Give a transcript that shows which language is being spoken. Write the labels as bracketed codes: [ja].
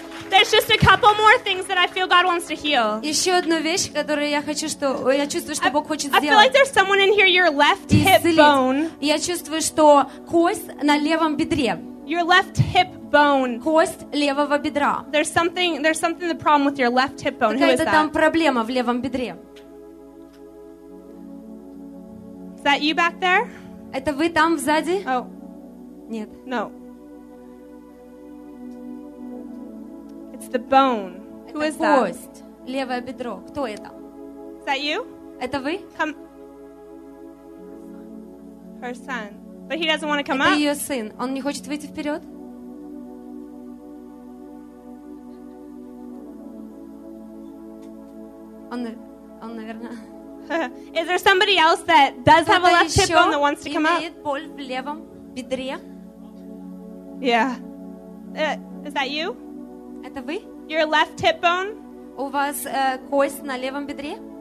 [en] There's just a couple more things that I feel God wants to heal. [ru] Еще одну вещь, которую я хочу, что я чувствую, что Бог хочет сделать. [en] I feel like there's someone in here, your left hip bone. [ru] Я чувствую, что кость на левом бедре. [en] Your left hip bone. [ru] Кость левого бедра. [en] There's something the problem with your left hip bone. [ru] Какая-то там проблема в левом бедре. [en] Is that you back there? [ru] Это вы там сзади? Oh. Нет. [en] No. It's the bone. Who is that? [ru] Кость, левое бедро. Кто это? [en] Is that you? [ru] Это вы? [en] Come. Her son. But he doesn't want to come [ru] это [en] up. [ru] Это ее сын. Он не хочет выйти вперед? Он, наверное... [en] Is there somebody else that does have a left hip bone that wants to come up? [ru] Имеет боль в левом бедре? [en] Yeah. Is that you? [ru] Это вы? [en] Your left hip bone? [ru] У вас кость на левом бедре?